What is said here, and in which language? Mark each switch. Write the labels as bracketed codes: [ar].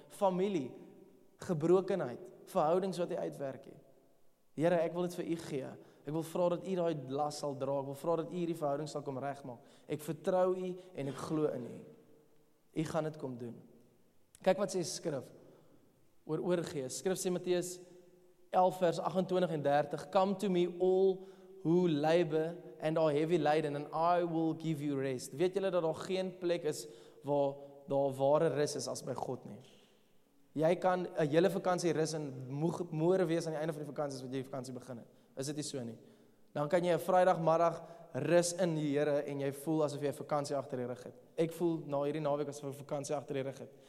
[af] Familie, gebrokenheid, verhoudings wat jy uitwerk nie. Here, ek wil dit vir U gee. Ek wil vra dat U daai las sal dra. Ek wil vra dat U hierdie verhouding sal kom regmaak. Ek vertrou U en ek glo in U. U gaan dit kom doen. Kyk wat sê skrif oor oorgee. Skrif sê Matteus 11 vers 28 en 30. [en] Come to me all who labor and are heavy laden and I will give you rest. [af] Weet julle dat daar geen plek is waar daar ware rus is as by God nie. Jy kan 'n hele vakansie rus en moere wees aan die einde van die vakansie as wat jy die vakansie begin het. Is dit nie so nie? Dan kan jy 'n Vrydagmiddag rus in die Here en jy voel asof jy 'n vakansie agter die rug het. Ek voel na hierdie naweek asof ek 'n vakansie agter die rug het.